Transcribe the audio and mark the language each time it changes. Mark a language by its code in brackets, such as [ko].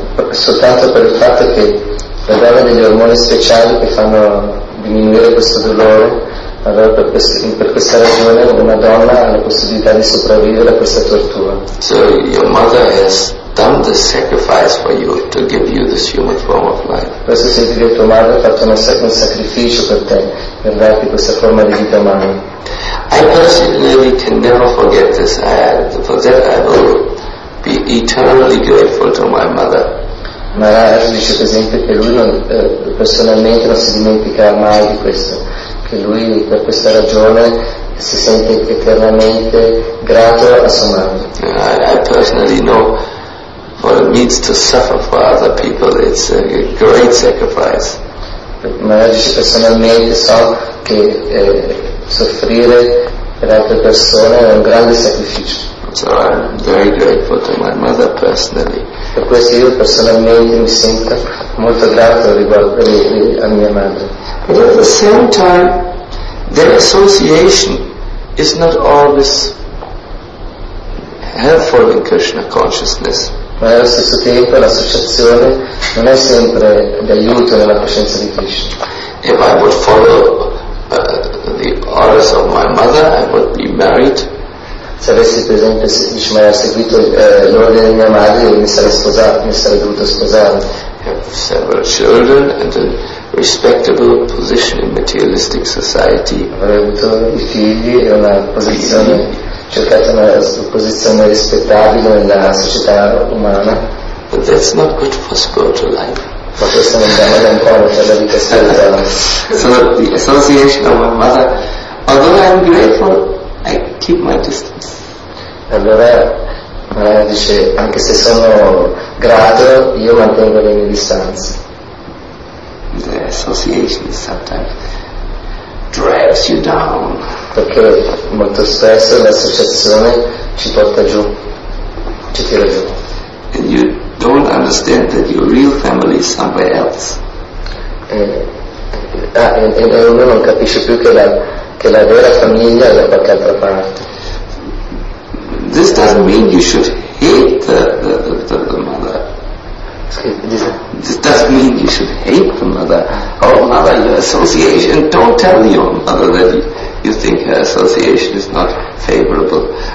[it] Soltanto per il fatto che la donna ha degli ormoni speciali che fanno diminuire questo dolore, allora per questa ragione una donna ha la possibilità di sopravvivere a questa tortura. [en] So your mother has done the sacrifice for you to give you this human form of life. [it] Questo significa che tua madre ha fatto un sacrificio per te per darti questa forma di vita umana. [en] I personally can never forget this. For that I will be eternally grateful to my mother. [it] Maharaj dice per esempio che lui non, personalmente non si dimentica mai di questo, che lui per questa ragione si sente eternamente grato a sua madre. [en] I personally know what it means to suffer for other people. It's a great sacrifice. [it] Maharaj dice personalmente so che soffrire per altre persone è un grande sacrificio. [en] So I'm very grateful to my mother personally. [it] Per questo io personalmente mi sento molto grato riguardo a mia madre. [en] But at the same time, their association is not always helpful in Krishna consciousness. [it] Ma allo stesso tempo l'associazione non è sempre d'aiuto nella coscienza di Krishna. [en] If I would follow the orders of my mother, I would be married. [it] Se avessi per esempio seguito l'ordine di mia madre, io mi sarei dovuto sposare. [en] Have several children and a respectable position in materialistic society. [it] Avrei avuto i figli e una posizione, cercato una posizione rispettabile nella società umana. [en] But that's not good for spiritual life. [it] Ma questo non è male ancora per la vita spirituale. [en] So the association of my mother, although I'm grateful, I keep my distance. [it] Allora Maharaj dice anche se sono grato io mantengo le mie distanze. [en] The association sometimes drags you down. [it] Perché molto spesso l'associazione ci porta giù, ci tira giù. [en] And you don't understand that your real family is somewhere else. [it] E uno non capisce più che la vera famiglia è da qualche altra parte. [en] This doesn't mean you should hate the mother. This doesn't mean you should hate the mother. Oh, mother, your association, don't tell your mother that you think her association is not favorable.